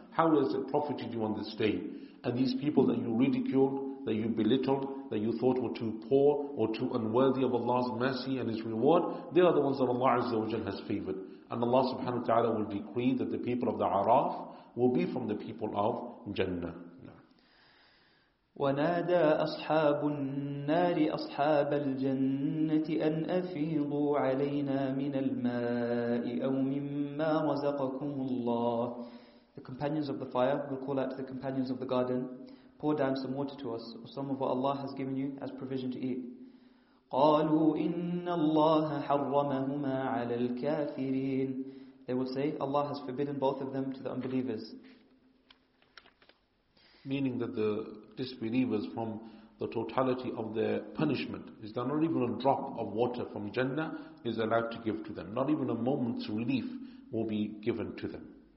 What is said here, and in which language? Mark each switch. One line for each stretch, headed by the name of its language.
English: How has it profited you on this day? And these people that you ridiculed, that you belittled, that you thought were too poor or too unworthy of Allah's mercy and His reward, they are the ones that Allah Azza wa Jal has favored. And Allah subhanahu wa ta'ala will decree that the people of the A'raf will be from the people of Jannah.
Arabic: ونادى أصحاب النار أصحاب الجنة أن أفيضوا علينا من الماء أو مما رزقكم الله.
English: The companions of the fire will call out to the companions of the garden, "Pour down some water to us, or some of what Allah has given you as provision to eat."
Arabic: قالوا إن الله حرمهما على الكافرين.
English: They will say, "Allah has forbidden both of them to the unbelievers." meaning that the disbelievers, from the totality of their punishment, is that not even a drop of water from Jannah is allowed to give to them. Not even a moment's relief will be given to them.